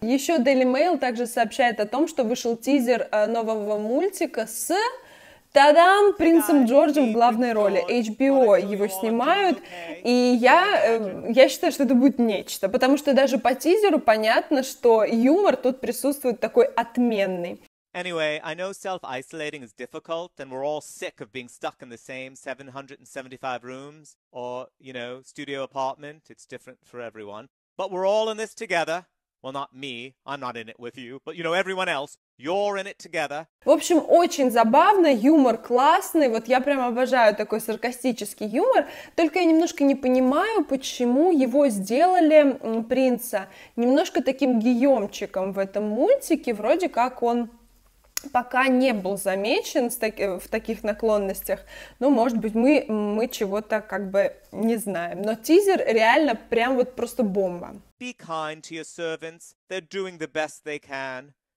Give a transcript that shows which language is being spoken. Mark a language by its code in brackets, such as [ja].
[ru] Еще Daily Mail также сообщает о том, что вышел тизер нового мультика с... Та-дам! Принцем Джорджем в главной роли. HBO его снимают, и я считаю, что это будет нечто, потому что даже по тизеру понятно, что юмор тут присутствует такой отменный. [en] Anyway, I know self-isolating is difficult, and we're all sick of being stuck in the same 775 rooms, or, you know, studio apartment, it's different for everyone. But we're all in this together. Well, not me, I'm not in it with you, but, you know, everyone else. You're in it together. [ru] В общем, очень забавно, юмор классный, вот я прям обожаю такой саркастический юмор, только я немножко не понимаю, почему его сделали принца немножко таким гиемчиком в этом мультике, вроде как он пока не был замечен в таких наклонностях, ну, может быть, мы чего-то как бы не знаем, но тизер реально прям вот просто бомба. [en] Be kind to your servants, they're doing the best they can.